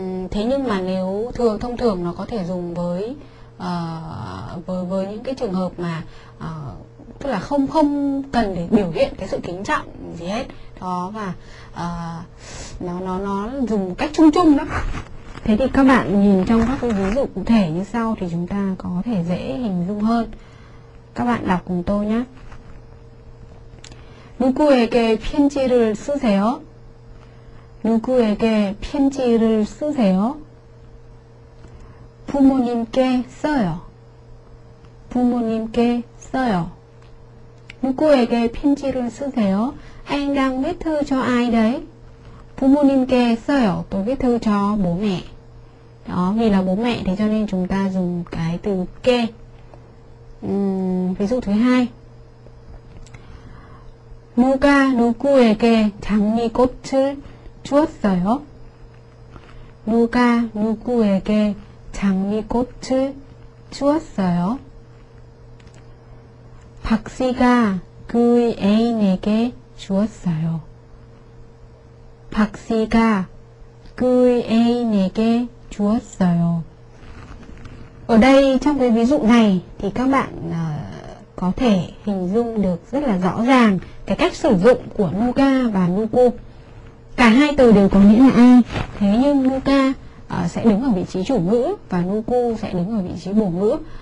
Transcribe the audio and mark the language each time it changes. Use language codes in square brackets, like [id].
[vi] Thế nhưng mà nếu thường thông thường nó có thể dùng với những cái trường hợp mà tức là không không cần để biểu hiện cái sự kính trọng gì hết đó, và nó dùng cách chung chung đó. Thế thì các bạn nhìn trong các cái ví dụ cụ thể như sau thì chúng ta có thể dễ hình dung hơn. Các bạn đọc cùng tôi nhé. [ko] 누구에게 편지를 쓰세요? 누구에게 편지를 쓰세요? 부모님께 써요. 부모님께 써요. 누구에게 편지를 쓰세요? [vi] Anh đang viết thư cho ai đấy? [ko] 부모님께 써요. [vi] Tôi viết thư cho bố mẹ. Đó, vì là bố mẹ thì cho nên chúng ta dùng cái từ kê. Ví dụ thứ hai. [ko] 누가 누구에게 장미꽃을 주었어요? 누가 누구에게 장미꽃을 주었어요? 박 씨가 그의 애인에게 주었어요. 박 씨가 그의 애인에게 주었어요. [vi] Ở đây trong cái ví dụ này thì các bạn có thể hình dung được rất là rõ ràng cái cách sử dụng của Nuka và Nuku. Cả hai từ đều có nghĩa là ai. Thế nhưng Nuka sẽ đứng ở vị trí chủ ngữ và Nuku sẽ đứng ở vị trí bổ ngữ.